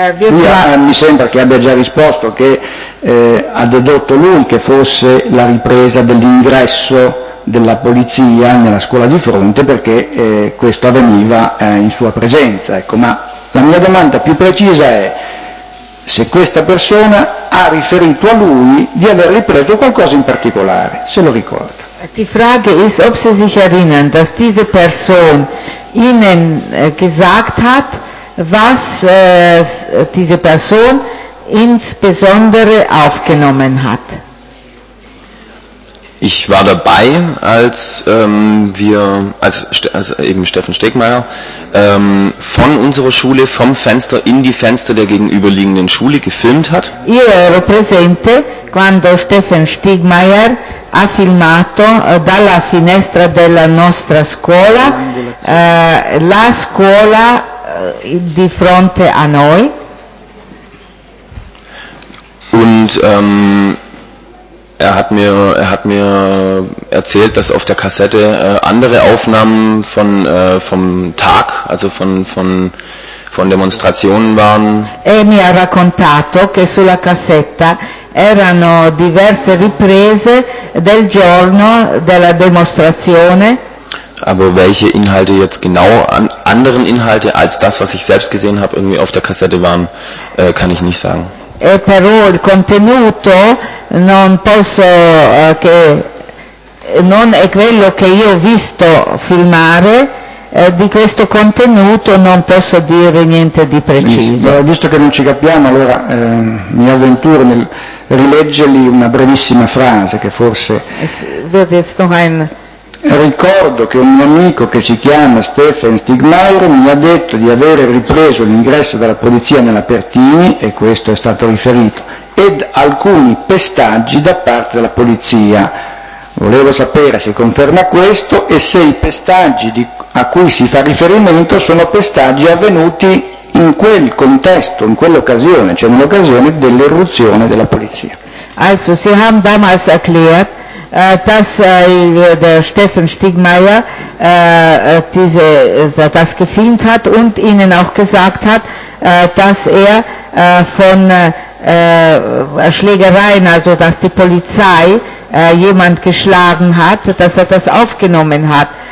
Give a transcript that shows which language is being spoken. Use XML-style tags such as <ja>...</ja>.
<it>Mi sembra che abbia già risposto che ha dedotto lui che fosse la ripresa dell'ingresso della polizia nella scuola di fronte, perché questo avveniva in sua presenza, ecco. Ma la mia domanda più precisa è se questa persona ha riferito a lui di aver ripreso qualcosa in particolare, se lo ricorda.</it> <de>Die Frage ist, ob Sie sich erinnern, dass diese Person Ihnen gesagt hat, was diese Person insbesondere aufgenommen hat. Ich war dabei, als eben Steffen Stegmaier von unserer Schule vom Fenster in die Fenster der gegenüberliegenden Schule gefilmt hat.</de> <it>Io ero presente quando Steffen Stegmaier ha filmato dalla finestra della nostra scuola la scuola di fronte a noi.</it> <de>Und Er hat mir erzählt, dass auf der Kassette andere Aufnahmen vom Tag, also von Demonstrationen waren.</de> <it>E mi ha raccontato che sulla cassetta erano diverse riprese del giorno della demonstrazione.</it> <de>Aber welche Inhalte jetzt genau, anderen Inhalte als das, was ich selbst gesehen habe, irgendwie auf der Kassette waren, kann ich nicht sagen.</de> <it>E però il contenuto non posso che non è quello che io ho visto filmare, di questo contenuto non posso dire niente di preciso. Visto che non ci capiamo, allora mi avventuro nel rileggergli una brevissima frase che forse ricordo che un mio amico che si chiama Steffen Stegmaier mi ha detto di avere ripreso l'ingresso della polizia nella Pertini, e questo è stato riferito, ed alcuni pestaggi da parte della polizia. Volevo sapere se conferma questo e se i pestaggi a cui si fa riferimento sono pestaggi avvenuti in quel contesto, in quell'occasione, cioè nell'occasione dell'irruzione della polizia.</it> <de>Also, Sie haben damals erklärt, Das der Steffen Stiegmeier diese das gefilmt hat und ihnen auch gesagt hat, dass er von Schlägereien, also dass die Polizei jemand geschlagen hat, dass er das aufgenommen hat.</de>